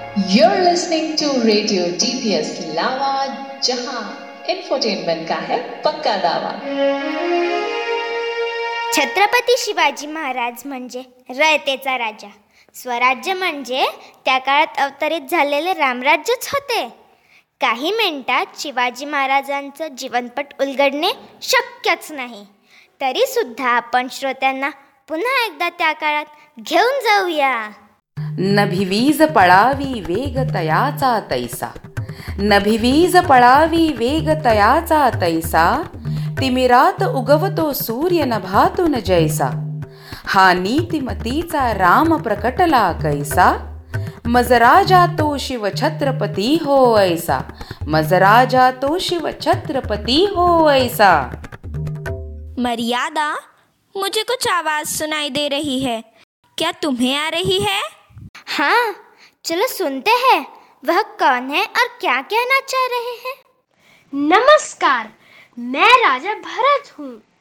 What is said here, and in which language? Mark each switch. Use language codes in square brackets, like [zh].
[en] you are listening to radio DPS लावा, [hi] जहां infotainment का है पक्का दावा. [mr] छत्रपती शिवाजी महाराज म्हणजे रयतेचा राजा. स्वराज्य म्हणजे त्या काळात अवतरित झालेले रामराज्यच होते. काही मिनिटात शिवाजी महाराजांचं जीवनपट उलगडणे शक्यच नाही. तरी सुद्धा आपण श्रोत्यांना पुन्हा एकदा त्या काळात घेऊन जाऊया. नभिवीज पळावी वेग तयाचा तैसा, नभिवीज पळावी वेग तयाचा तैसा, तिमिरात उगवतो सूर्य नभातून जैसा, हा नीतिमतीचा राम प्रकटला कैसा, मजराजा तो शिव छत्रपती हो ऐसा, मजराजा तो शिव छत्रपती हो ऐसा. [hi] मर्यादा, मुझे कुछ आवाज सुनाई दे रही है, क्या तुम्हें आ रही है? हाँ, चलो सुनते हैं वह कौन है और क्या कहना चाह रहे हैं. नमस्कार, मैं राजा भरत हूँ।